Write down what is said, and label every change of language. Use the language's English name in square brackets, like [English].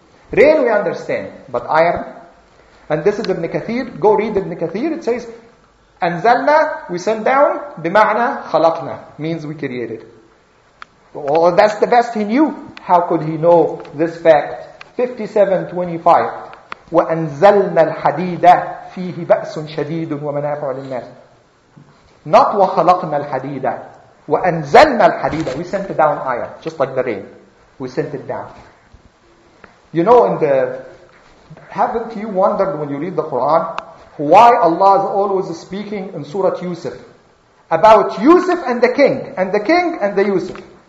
[English] Rain we understand, but iron. And this is Ibn Kathir. Go read Ibn Kathir. It says, [Arabic] أنزلنا, [English] we send down, [Arabic] بمعنى خلقنا, [English] means we created. Well, that's the best he knew. How could he know this fact? 57:25. [Arabic] وأنزلنا الحديد فيه بأس شديد ومنافع للناس. [English] Not [Arabic] وخلقنا الحديد. وأنزلنا الحديد. [English] We sent down iron, just like the rain. We sent it down. You know, in the, haven't you wondered when you read the Quran why Allah is always speaking in Surah Yusuf about Yusuf and the king, and the king and the Yusuf?